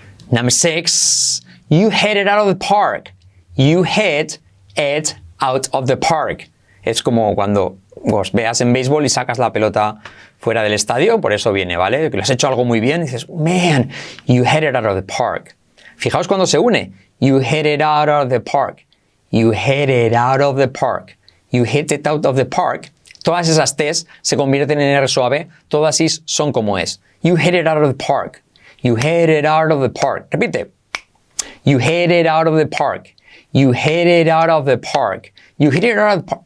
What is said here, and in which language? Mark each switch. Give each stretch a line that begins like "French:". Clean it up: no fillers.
English: Number six, you hit it out of the park. You hit it out of the park.
Spanish: Es como cuando vos veas en béisbol y sacas la pelota fuera del estadio, por eso viene, ¿vale? Que lo has hecho algo muy bien, dices,
English: man, you hit it out of the park.
Spanish: Fijaos cuando se une.
English: You hit it out of the park. You hit it out of the park. You hit it out of the park.
Spanish: Todas esas T's se convierten en R suave. Todas I's son como es.
English: You hit it out of the park. You hit it out of the park.
Spanish: Repite.
English: You hit it out of the park. You hit it out of the park. You hit it out of the park.